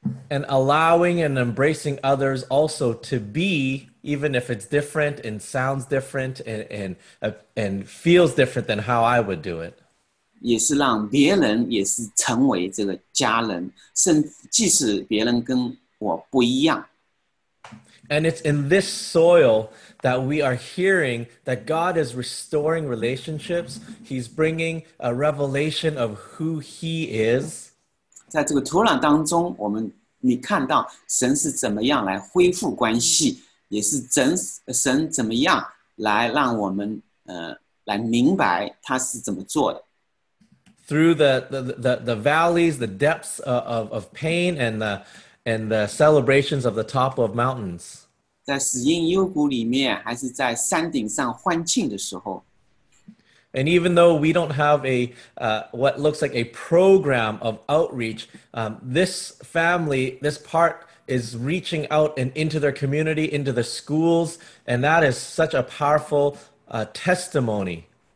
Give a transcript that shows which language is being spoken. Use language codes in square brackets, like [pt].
[en] And allowing and embracing others also to be, even if it's different and sounds different and feels different than how I would do it. [zh] 也是让别人也是成为这个家人，甚至即使别人跟我不一样。 [en] And it's in this soil that we are hearing that God is restoring relationships. He's bringing a revelation of who He is. [zh] 在这个土壤当中，我们 你看到神是怎么样来恢复关系，也是神怎么样来让我们来明白他是怎么做的。 [en] Through the valleys, the depths of pain and the celebrations of the top of mountains. [zh] 在死荫幽谷里面，还是在山顶上欢庆的时候。 [en] And even though we don't have a what looks like a program of outreach, this family, this part is reaching out and into their community, into the schools, and that is such a powerful testimony.